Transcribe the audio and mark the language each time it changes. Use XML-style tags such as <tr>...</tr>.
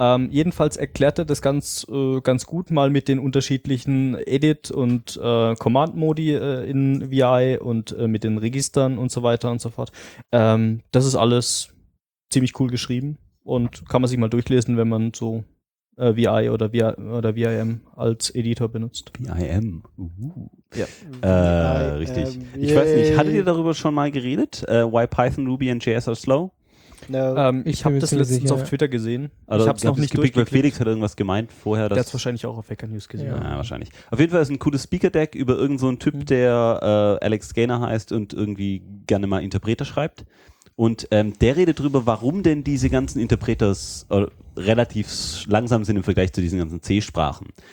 <de>Jedenfalls erklärt er das ganz, ganz gut mal mit den unterschiedlichen Edit- und Command-Modi in VI und mit den Registern und so weiter und so fort. Das ist alles ziemlich cool geschrieben und kann man sich mal durchlesen, wenn man so VI oder VIM als Editor benutzt. VIM. Ja. Richtig. Yay. Ich weiß nicht, hattet ihr darüber schon mal geredet?</de> <en>Why Python, Ruby and JS are slow? No.</en> <de>Ich habe das letztens sicher, auf Twitter gesehen. Also, ich habe es noch nicht durchgeklickt. Felix hat irgendwas gemeint vorher. Der hat es wahrscheinlich auch auf Hacker News gesehen. Ja, wahrscheinlich. Auf jeden Fall ist ein cooles Speaker-Deck über irgendeinen so Typ, der Alex Gaynor heißt und irgendwie gerne mal Interpreter schreibt. Und der redet drüber, warum denn diese ganzen Interpreters relativ langsam sind im Vergleich zu diesen ganzen C-Sprachen.</de>